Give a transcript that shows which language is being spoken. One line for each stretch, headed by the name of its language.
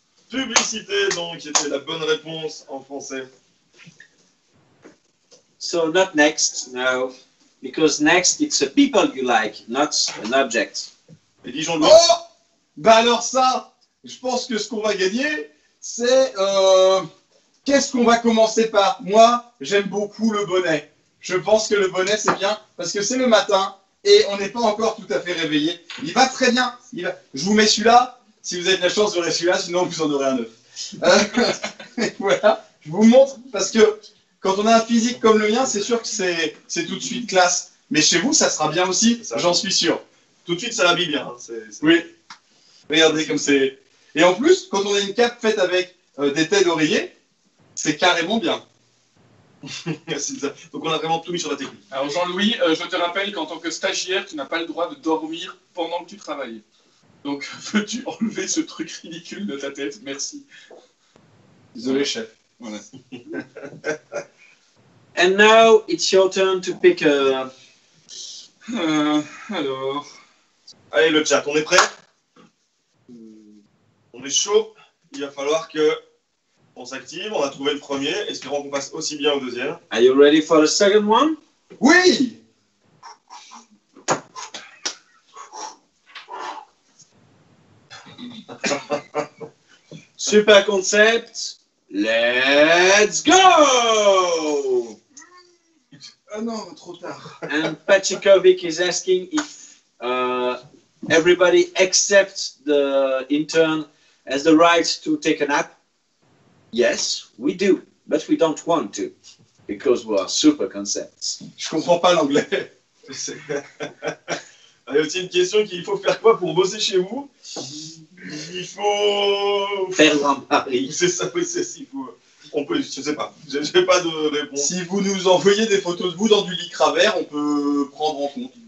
French: Publicité, donc, était la bonne réponse en français.
English: So not next, no. Because next, it's a people you like, not an object.
French: Et disons-nous. Oh, bah alors ça, je pense que ce qu'on va gagner, c'est qu'est-ce qu'on va commencer par. Moi, j'aime beaucoup le bonnet. Je pense que le bonnet, c'est bien parce que c'est le matin et on n'est pas encore tout à fait réveillé. Il va très bien. Je vous mets celui-là. Si vous avez de la chance, vous aurez celui-là. Sinon, vous en aurez un neuf. voilà. Je vous montre parce que quand on a un physique comme le mien, c'est sûr que c'est tout de suite classe. Mais chez vous, ça sera bien aussi. J'en suis sûr. Tout de suite, ça l'habille bien. Oui. Regardez comme c'est. Et en plus, quand on a une cape faite avec des têtes d'oreiller, c'est carrément bien. Donc on a vraiment tout mis sur la technique. Alors Jean-Louis, je te rappelle qu'en tant que stagiaire, tu n'as pas le droit de dormir pendant que tu travailles. Donc veux-tu enlever ce truc ridicule de ta tête? Merci. Désolé, chef. Voilà.
English: And now it's your turn to pick a.
French: Alors. Allez le chat, on est prêt? On est chaud. Il va falloir que. On s'active, on a trouvé le premier, espérons qu'on passe aussi bien au deuxième.
English: Are you ready for the second one?
French: Oui!
English: Super concept, let's go!
French: Ah non, trop tard.
English: And Pachikovic is asking if everybody except the intern has the right to take a nap. Yes, we do, but we don't want to, because we are super concepts.
French: Je comprends pas l'anglais. Il y a aussi une question qu'il faut faire quoi pour bosser chez vous? Il faut... Faire un mari. C'est ça, oui, c'est si vous... On peut, je sais pas, j'ai pas de réponse. Si vous nous envoyez des photos de vous dans du lycra vert, on peut prendre en compte.